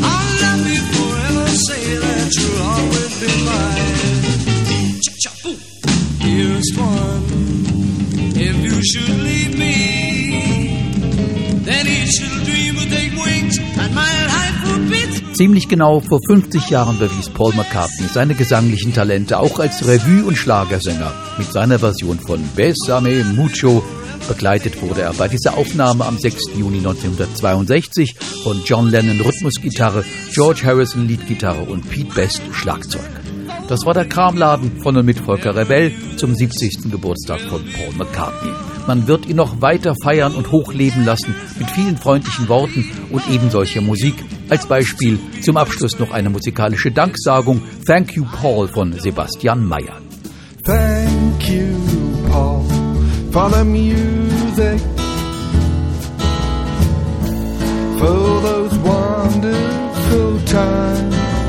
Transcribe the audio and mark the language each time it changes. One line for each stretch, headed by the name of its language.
English: I'll love you forever, say that you'll always be mine. Cha-cha-boom. Here's one, if you should leave me, then each little dream will take wings and my life will be.
German: Ziemlich genau vor 50 Jahren bewies Paul McCartney seine gesanglichen Talente auch als Revue- und Schlagersänger mit seiner Version von Bésame Mucho, Begleitet wurde er bei dieser Aufnahme am 6. Juni 1962 von John Lennon Rhythmusgitarre, George Harrison Leadgitarre und Pete Best Schlagzeug. Das war der Kramladen von und mit Volker Rebell zum 70. Geburtstag von Paul McCartney. Man wird ihn noch weiter feiern und hochleben lassen mit vielen freundlichen Worten und eben solcher Musik. Als Beispiel zum Abschluss noch eine musikalische Danksagung. Thank you, Paul, von Sebastian Mayer.
English: Thank you, Paul, for the music, for those wonderful times.